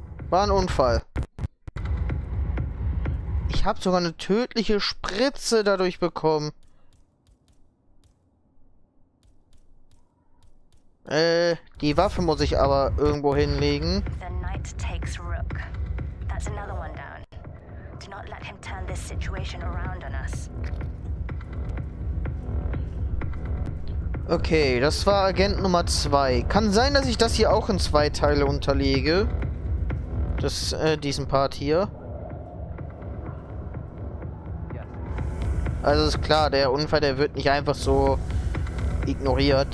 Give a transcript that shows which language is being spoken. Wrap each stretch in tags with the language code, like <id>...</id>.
<de>War ein Unfall. Ich habe sogar eine tödliche Spritze dadurch bekommen. Die Waffe muss ich aber irgendwo hinlegen.</de> <en>The Knight takes Rook. That's another one down. Do not let him turn this situation around on us.</en> <de>Okay, das war Agent Nummer 2. Kann sein, dass ich das hier auch in zwei Teile unterlege. Das, diesen Part hier. Also ist klar, der Unfall, der wird nicht einfach so ignoriert.</de>